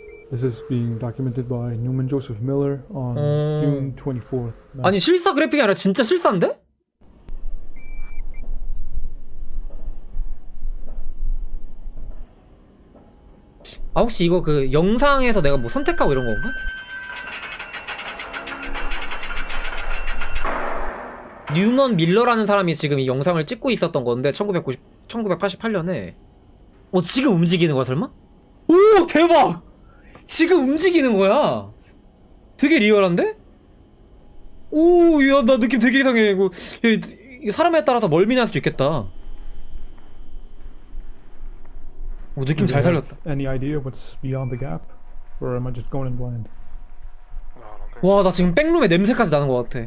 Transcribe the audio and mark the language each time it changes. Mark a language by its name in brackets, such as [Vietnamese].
[English] This is being documented by Newman Joseph Miller on June 24th. [Korean] 아니, 실사 그래픽이 아니라 진짜 실사인데? 아, 혹시 이거 그 영상에서 내가 뭐 선택하고 이런 건가? 뉴먼 밀러라는 사람이 지금 이 영상을 찍고 있었던 건데, 1988년에. 지금 움직이는 거야, 설마? 오, 대박! 지금 움직이는 거야. 되게 리얼한데? 오, 야, 나 느낌 되게 이상해. 이거 사람에 따라서 멀미날 수도 있겠다. 오, 느낌 잘 살렸다. [English] Any idea what's beyond the gap? Or am I just going in blind? [Korean] 와, 나 지금 백룸에 냄새까지 나는 것 같아. 내